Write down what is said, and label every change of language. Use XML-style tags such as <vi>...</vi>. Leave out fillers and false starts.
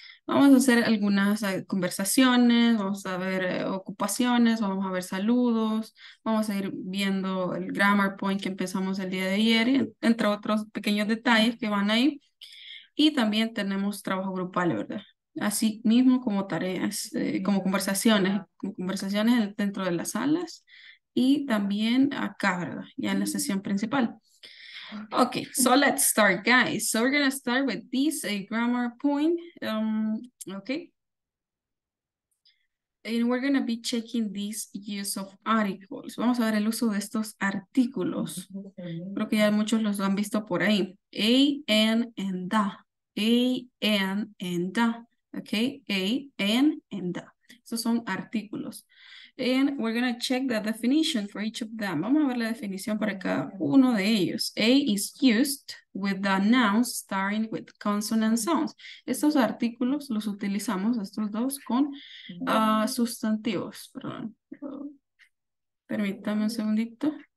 <es>Vamos a hacer algunas conversaciones, vamos a ver ocupaciones, vamos a ver saludos, vamos a ir viendo el</es> <en>grammar point</en> <es>que empezamos el día de ayer, entre otros pequeños detalles que van ahí. Y también tenemos trabajo grupal, ¿verdad? Así mismo como tareas, como conversaciones dentro de las salas y también acá, ¿verdad? Ya en la sesión principal.</es> <en>Okay, so let's start, guys. So we're gonna start with this grammar point, okay? And we're gonna be checking this use of articles.</en> <es>Vamos a ver el uso de estos artículos. Creo que ya muchos los han visto por ahí.</es> <en>A, an, and the. A, an, and the. Okay, a, an, and the.</en> <es>Estos son artículos.</es> <en>And we're going to check the definition for each of them.</en> <es>Vamos a ver la definición para cada uno de ellos.</es> <en>A is used with the nouns starting with consonant sounds.</en> <es>Estos artículos los utilizamos, estos dos, con sustantivos. Perdón. Permítame un segundito.</es>